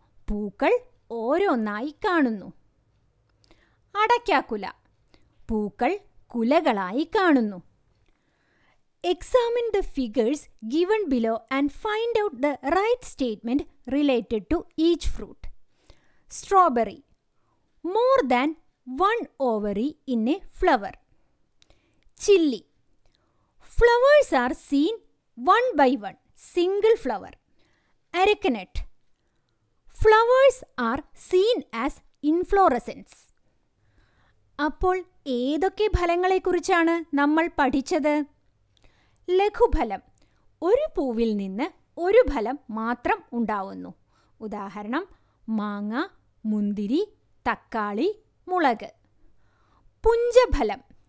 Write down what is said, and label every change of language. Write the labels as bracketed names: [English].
[Malayalam] പൂക്കൾ ഓരോന്നായി കാണുന്നു. അടയ്ക്കാക്കുല. പൂക്കൾ കുലകളായി കാണുന്നു. [English] Examine the figures given below and find out the right statement related to each fruit. strawberry. More than one ovary in a flower. Chilli. Flowers are seen one by one, single flower. Arecanut. Flowers are seen as inflorescence. [Malayalam] അപ്പോൾ ഏതൊക്കെ ഫലങ്ങളെക്കുറിച്ചാണ് നമ്മൾ പഠിച്ചത്? ലഘുഫലം. ഒരു പൂവിൽ നിന്ന് ഒരു ഫലം മാത്രം ഉണ്ടാവുന്നു. ഉദാഹരണം: മാങ്ങ, മുന്തിരി, തക്കാളി, മുളക്. പുഞ്ചഫലം.